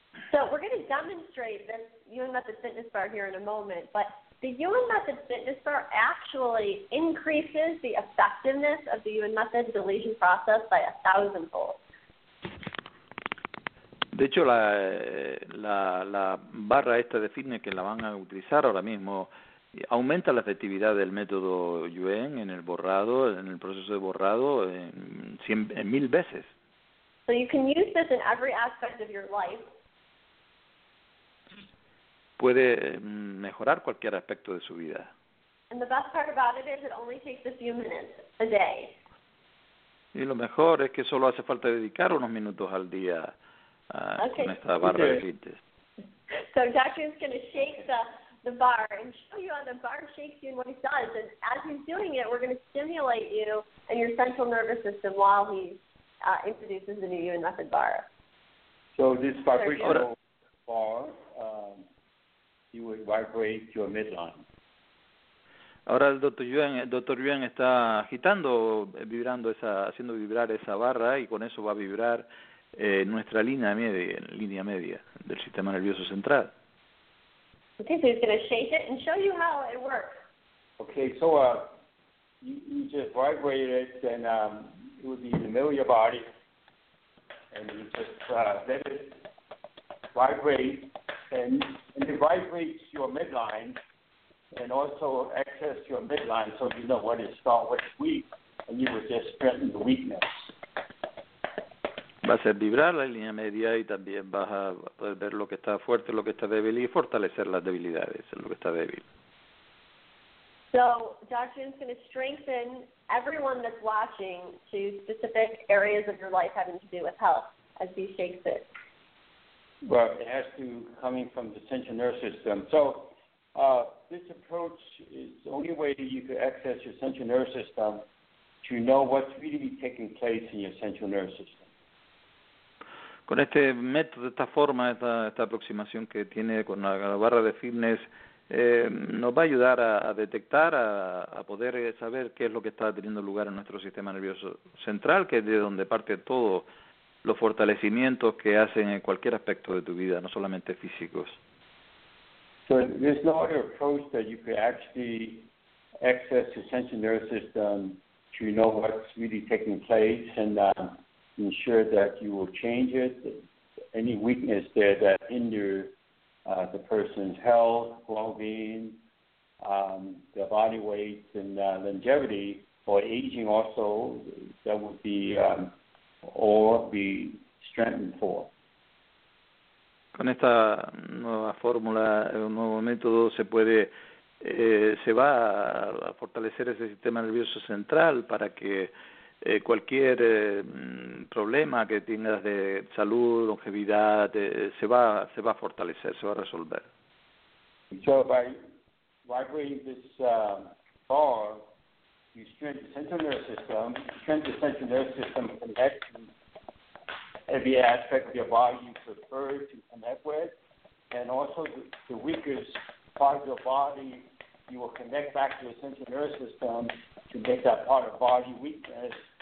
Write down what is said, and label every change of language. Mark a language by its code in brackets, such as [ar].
[en] So we're going to demonstrate this Yuen Method Fitness Bar here in a moment, but the Yuen Method Fitness Bar actually increases the effectiveness of the Yuen Method deletion process by 1,000-fold. [es] De hecho, la barra esta de fitness que la van a utilizar ahora mismo aumenta la efectividad del método Yuen en el borrado, en el proceso de borrado, en 1,000 veces. [en] So you can use this in every aspect of your life. [es] Puede mejorar cualquier aspecto de su vida. [en] And the best part about it is it only takes a few minutes a day. [es] Y lo mejor es que solo hace falta dedicar unos minutos al día con esta barra de fitness. [en] So Dacian's going to shake the bar and show you how the bar shakes you and what it does. And as he's doing it, we're going to stimulate you and your central nervous system while he introduces the new Yuen Method bar. So this vibrational bar, you will vibrate your midline. [es] Ahora el doctor Yuen está agitando, vibrando haciendo vibrar esa barra, y con eso va a vibrar nuestra línea media del sistema nervioso central. [en] Okay, so he's going to shake it and show you how it works. Okay, so you just vibrate it, and it would be in the middle of your body, and you just let it vibrate, and it vibrates your midline, and also access your midline, so you know what is strong, what is weak, and you would just strengthen the weakness. [es] Va a hacer vibrar la línea media y también vas a poder ver lo que está fuerte, lo que está débil, y fortalecer las debilidades, lo que está débil. [en] So, Dr. Jin's going to strengthen everyone that's watching to specific areas of your life having to do with health as he shakes it. Well, it has to coming from the central nervous system. So, this approach is the only way you can access your central nervous system to know what's really taking place in your central nervous system. [es] Con este método, esta forma, esta aproximación que tiene con la barra de fitness, nos va a ayudar a detectar, a poder saber qué es lo que está teniendo lugar en nuestro sistema nervioso central, que es de donde parte todo los fortalecimientos que hacen en cualquier aspecto de tu vida, no solamente físicos. [en] So there's no other approach that you could actually access the central nervous system to know what's really taking place and ensure that you will change it, any weakness there that hinders the person's health, well-being, their body weight, and longevity, or aging also, that would be all be strengthened for. [es] Con esta nueva fórmula, un nuevo método, se va a fortalecer ese sistema nervioso central para que cualquier problema que tengas de salud, longevidad, se va a fortalecer, se va a resolver. [en] So by vibrating this bar, you strengthen the central nervous system. Strengthen the central nervous system connects every aspect of your body you prefer to connect with, and also the weakest part of your body you will connect back to the central nervous system to make that part of body weakness.